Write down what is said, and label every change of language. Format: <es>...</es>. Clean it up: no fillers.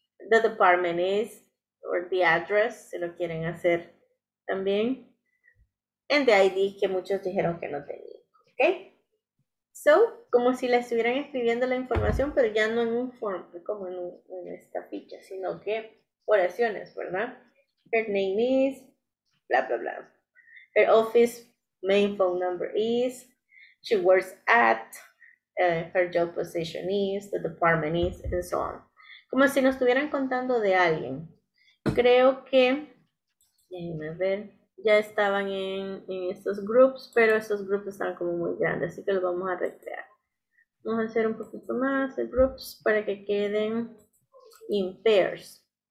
<en>The department is, or the address,</en> <es>si lo quieren hacer también.</es> <en>And the ID</en> <es>que muchos dijeron que no tenían, ¿ok? So, como si le estuvieran escribiendo la información, pero ya no en un form, como en esta ficha, sino que oraciones, ¿verdad?</es> <en>Her name is, bla, bla, bla. Her office main phone number is, she works at, her job position is, the department is, and so on.</en> <es>Como si nos estuvieran contando de alguien. Creo que, déjenme ver, ya estaban en estos grupos, pero estos grupos están como muy grandes, así que los vamos a recrear. Vamos a hacer un poquito más de grupos para que queden</es> <en>in pairs.</en>